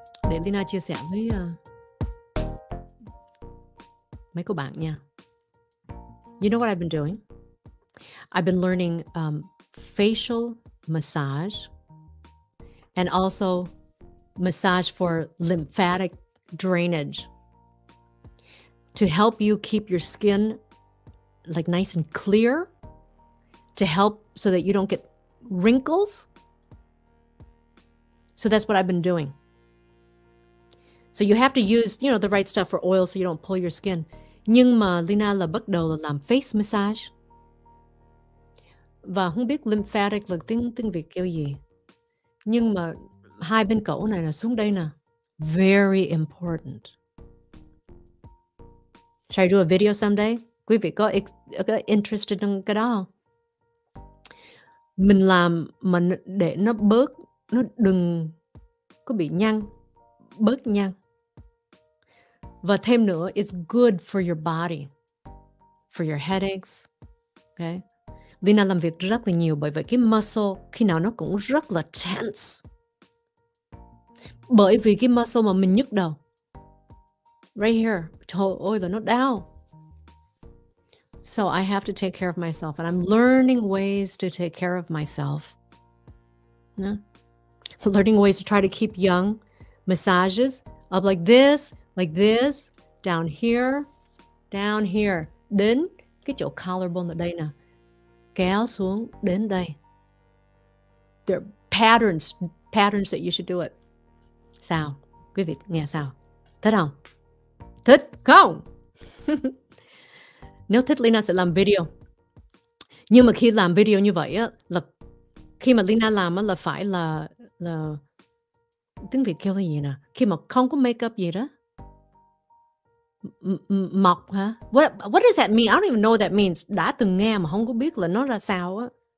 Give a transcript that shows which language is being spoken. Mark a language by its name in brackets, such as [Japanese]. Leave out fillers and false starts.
[Vietnamese] Để Leyna chia sẻ với mấy cô bạn nha. [English] You know what I've been doing? I've been learning facial massage and also massage for lymphatic drainage to help you keep your skin like nice and clear, to help so that you don't get wrinkles. So that's what I've been doing. So you have to use, you know, the right stuff for oil so you don't pull your skin. [Vietnamese] Nhưng mà Leyna là bắt đầu là làm face massage. Và không biết lymphatic là tiếng Việt kêu gì. Nhưng mà hai bên cổ này là xuống đây nè. [English] Very important. Should I do a video someday? [Vietnamese] Quý vị có interested in cái đó không? Mình làm mà để nó bớt, nó đừng có bị nhăn, bớt nhăn. Và thêm nữa, [English] it's good for your body, for your headaches. Okay? [Vietnamese] Leyna làm việc rất là nhiều, bởi vậy cái muscle khi nào nó cũng rất là tense. Bởi vì cái muscle mà mình nhức đầu. [English] Right here. [Vietnamese] Trời ơi là nó đau. [English] So I have to take care of myself, and I'm learning ways to take care of myself. Yeah. Learning ways to try to keep young. Massages up like this. Like this, down here, down here. [Vietnamese] Đến cái chỗ collarbone ở đây nè. Kéo xuống đến đây. [English] There are patterns that you should do it. [Vietnamese] Sao? Quý vị nghe sao? Thích không? Thích không? Nếu thích Leyna sẽ làm video. Nhưng mà khi làm video như vậy á, là khi mà Leyna làm á, là phải là tiếng Việt kêu là gì nè? Khi mà không có makeup gì đó. Mọc hả? [English] What does that mean? I don't even know what that means. [Vietnamese] Đã từng nghe mà không có biết là nó ra sao á.